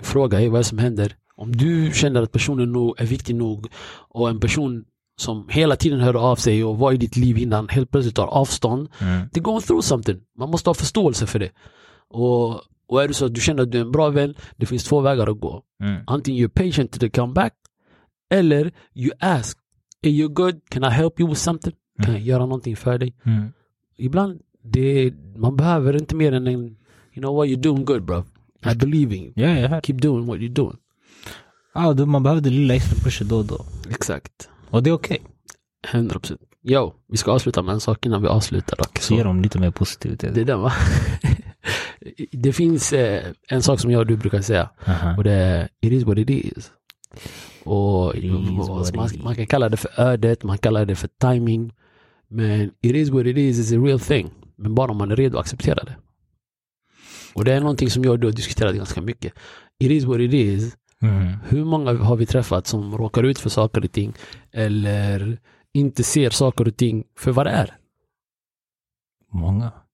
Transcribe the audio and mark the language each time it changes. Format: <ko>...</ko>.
<sv>Fråga vad som händer. Om du känner att personen nog är viktig nog och en person som hela tiden hör av sig och var i ditt liv innan helt plötsligt tar avstånd, det går</sv> <en>through something.</en> <sv>Man måste ha förståelse för det. Och är det så att du känner att du är en bra vän, det finns 2 vägar att gå. Antingen</sv> <en>you're patient to the comeback</en> <sv>eller</sv> <en>you ask, are you good? Can I help you with something?</en> <sv>Kan jag göra någonting för dig? Ibland, man behöver inte mer än en,</sv> <en>you know what, you're doing good, bro. I believe in you. Keep doing what you're doing.</en> <sv>Ja, man behöver det lilla extra pushet då. Exakt. Och det är okej. 100%. Jo, vi ska avsluta med en sak innan vi avslutar dock. Så. Ser de lite mer positivt. Det är den, va? Det finns en sak som jag och du brukar säga. Uh-huh. Och det är,</sv> <en>it is what it is.</en> <sv>Och man kan kalla det för ödet, man kallar det för timing. Men</sv> <en>it is what it is a real thing.</en> <sv>Men bara om man är redo att acceptera det. Och det är någonting som jag och du har diskuterat ganska mycket.</sv> <en>It is what it is. Mm.</en> <sv>Hur många har vi träffat som råkar ut för saker och ting eller inte ser saker och ting för vad det är? Många.</sv>